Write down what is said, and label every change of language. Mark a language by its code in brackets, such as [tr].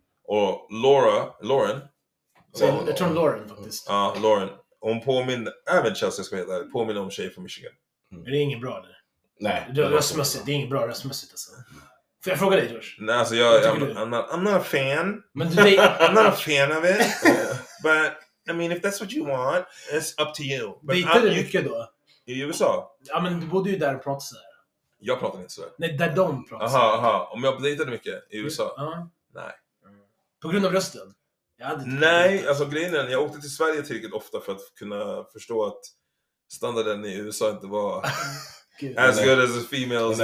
[sv] Och Lauren. Jag tror Lauren faktiskt. Ja, Lauren. Hon påminner, även Chelsea ska heta det, påminner om tjej från Michigan. Är det inget bra nu? Nej. Röstmässigt, det är inget bra röstmässigt alltså. Får jag fråga dig, George? Nej, alltså jag, [en] I'm not a fan. [sv] Men du, [en] I'm not a fan of it. But, I mean, if that's what you want, it's up to you. [sv] Dejtar du mycket då? I USA? Ja, men du bodde ju där och pratade sådär. Jag pratar inte sådär. Nej, där de pratar. Aha. Om jag dejtade mycket i USA? Ja. Nej. På grund av rösten? Nej, alltså grejen är, jag åkte till Sverige tillräckligt ofta för att kunna förstå att standarden i USA inte var [en] as good as a female's